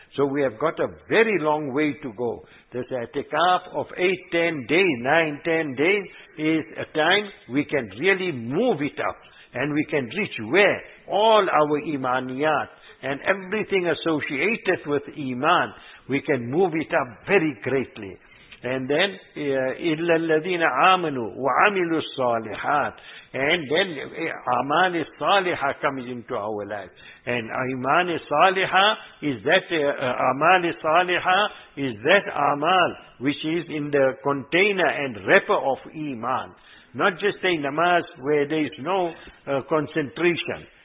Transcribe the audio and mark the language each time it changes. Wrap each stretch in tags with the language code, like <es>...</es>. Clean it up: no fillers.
<en>So we have got a very long way to go. This i'tikaf of 9, 10 days is a time we can really move it up. And we can reach where? All our imaniyat and everything associated with iman, we can move it up very greatly. And then,</en> <ar>إِلَّا الَّذِينَ آمَنُوا وَعَمِلُوا الصَّالِحَاتِ.</ar> <en>And then, amani saliha comes into our life. And imani saliha is that, amali saliha is that amal which is in the container and wrapper of iman. Not just a namaz where there is no concentration.</en>